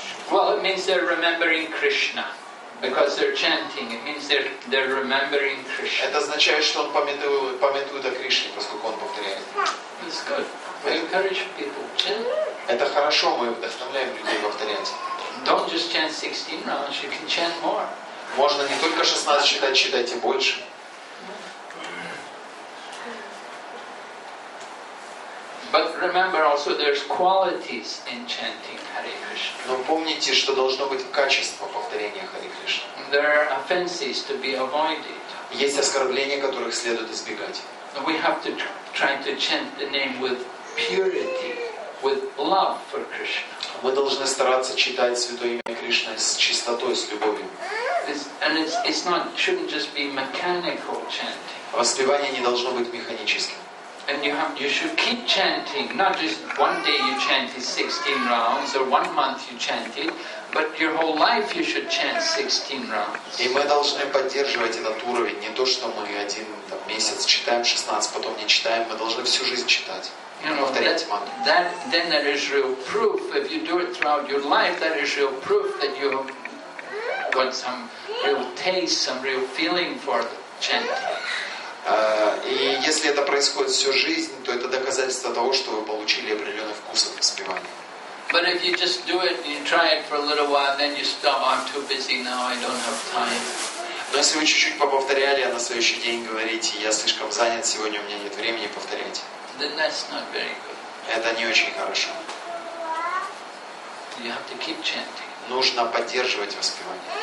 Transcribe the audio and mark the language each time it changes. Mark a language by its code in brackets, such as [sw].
[en] Well, it means they're remembering Krishna because they're chanting. It means they're remembering Krishna. [ru] Это означает, что он памятует о Кришне, поскольку он повторяет. [en] That's good. We encourage people to chant. [ru] Это хорошо, мы вдохновляем людей повторять. [en] Don't just chant 16 rounds. You can chant more. [ru] Можно не только 16 читать, читайте больше. [en] But remember also there's qualities in chanting Hare Krishna. [ru] Но помните, что должно быть качество повторения Hare Krishna. [en] There are offenses to be avoided. [ru] Есть оскорбления, которых следует избегать. [en] We have to try to chant the name with purity, with love for Krishna. [ru] Мы должны стараться читать святое имя Кришны с чистотой, с любовью. [en] And it's not, shouldn't just be mechanical chanting. [ru] Воспевание не должно быть механическим. [en] And you should keep chanting, not just one day you chant 16 rounds or one month you chant it, but your whole life you should chant 16 rounds. [ru] И мы должны поддерживать этот уровень, не то что мы один там, месяц читаем 16, потом не читаем, мы должны всю жизнь читать, [en] you know, [ru] повторять [en] that, [ru] мантру. [en] That, then there is real proof, if you do it throughout your life, that is real proof that you have got some real taste, some real feeling for chanting. [ru] И если это происходит всю жизнь, то это доказательство того, что вы получили определенный вкус от воспевания. [en] But if you just do it and you try it for a little while, then you stop, I'm too busy now, I don't have time. [ru] Но если вы чуть-чуть поповторяли, а на следующий день говорите, я слишком занят сегодня, у меня нет времени, повторяйте. [en] Then that's not very good. [ru] Это не очень хорошо. [en] You have to keep chanting. [ru] Нужно поддерживать воспевание.